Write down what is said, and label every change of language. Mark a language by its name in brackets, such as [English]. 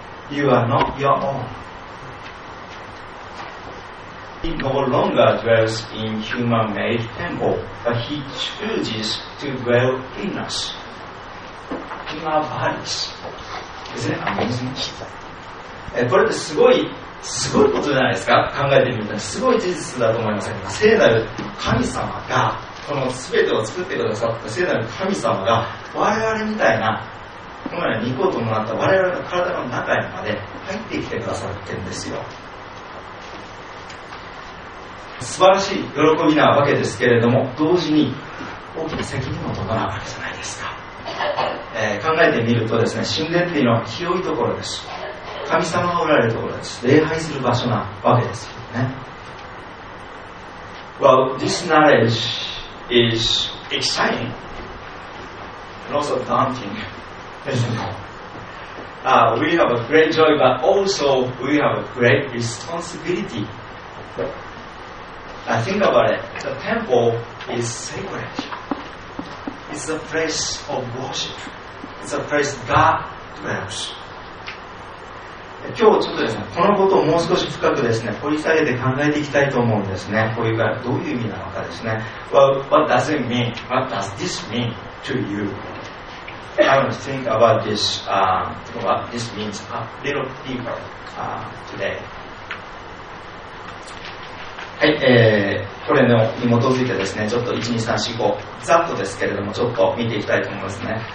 [English] You are not your own. He no longer dwells in human-made temple, but he chooses to dwell in us, in our bodies. Isn't it amazing? [Japanese] これってすごいことじゃないですか。考えてみたらすごい事実だと思いませんか。聖なる神様がこの全てを作ってくださった聖なる神様が我々みたいな、このように肉を伴った我々の体の中にまで入ってきてくださってるんですよ。素晴らしい喜びなわけですけれども、同時に大きな責任も伴うわけじゃないですか。考えてみるとですね、神殿っていうのは清いところです。神様がおられるところです。礼拝する場所なわけですよね。 [English] Well, this knowledge is exciting and also daunting, isn't it? We have a great joy, but also we have a great responsibility. Now think about it. The temple is sacred. It's a place of worship. It's a place God dwells. [Japanese] 今日ちょっとですね、このことをもう少し深くですね、掘り下げて考えていきたいと思うんですね。こういうからどういう意味なのかですね。 [English] Well, what does it mean? What does this mean to you? I want to think about this, what this means a little deeper today. [Japanese] はい、これのに基づいてですね、ちょっと1、2、3、4、5、ざっとですけれども、ちょっと見ていきたいと思いますね。